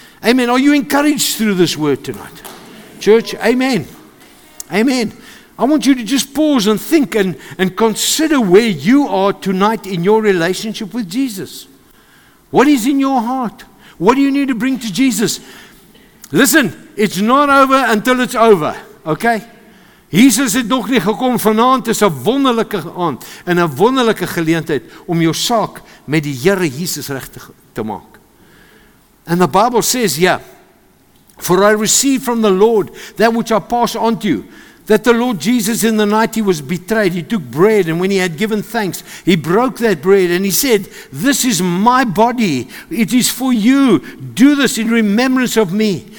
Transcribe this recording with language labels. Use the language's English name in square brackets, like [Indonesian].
[English] Amen. Are you encouraged through this word tonight? Church, amen. Amen. I want you to just pause and think and consider where you are tonight in your relationship with Jesus. What is in your heart? What do you need to bring to Jesus? Listen, it's not over until it's over, okay? [Afrikaans] Jesus het nog nie gekom vanavond, is 'n wonderlike aand en 'n wonderlike geleentheid om jou saak met die Here Jesus reg te maak. [English] And the Bible says, yeah, for I received from the Lord that which I pass on to you, that the Lord Jesus in the night he was betrayed, he took bread, and when he had given thanks, he broke that bread, and he said, this is my body, it is for you, do this in remembrance of me.